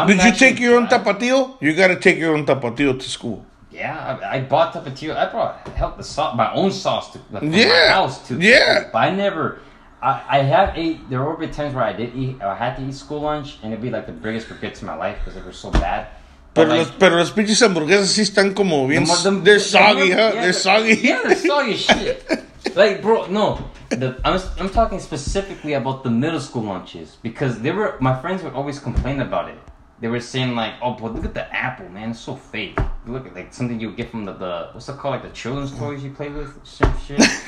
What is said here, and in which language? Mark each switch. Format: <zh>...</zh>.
<en>Did you take your own tapatio? You gotta take your own tapatio to school. Yeah, I bought tapatio. I brought the sauce, my own sauce to my house to school. Yeah, but I never. There were times where I did eat. I had to eat school lunch, and it'd be like the biggest regrets of my life because they were so bad.</en> <es>Pero las pinches hamburguesas sí están como bien.</es> <en>They're soggy, huh? They're soggy. Yeah, they're soggy shit. Like, bro, no. I'm talking specifically about the middle school lunches because my friends would always complain about it. They were saying like, oh, but look at the apple, man. It's so fake. Look at like something you get from the what's it called? Like the children's toys you play with? Some shit.</en>